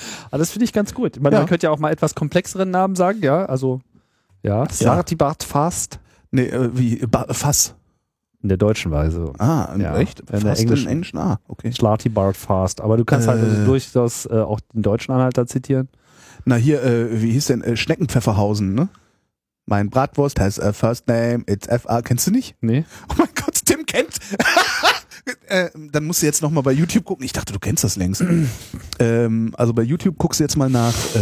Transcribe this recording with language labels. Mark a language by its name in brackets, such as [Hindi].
[German] Also das finde ich ganz gut. Man könnte ja auch mal etwas komplexeren Namen sagen, ja. Also, ja. Sartibart Fast. Nee, wie? Fass. In der deutschen Weise. Ah, ja. Echt? In der englischen. Ah, okay. Sartibart Fast. Aber du kannst halt also durchaus auch den deutschen Anhalter zitieren. Na, hier, wie hieß denn? Schneckenpfefferhausen, ne? Mein Bratwurst [English] has a first name, it's F.A. [German] Kennst du nicht? Nee. Oh mein Gott, Tim kennt. dann musst du jetzt nochmal bei YouTube gucken. Ich dachte, du kennst das längst. also bei YouTube guckst du jetzt mal nach.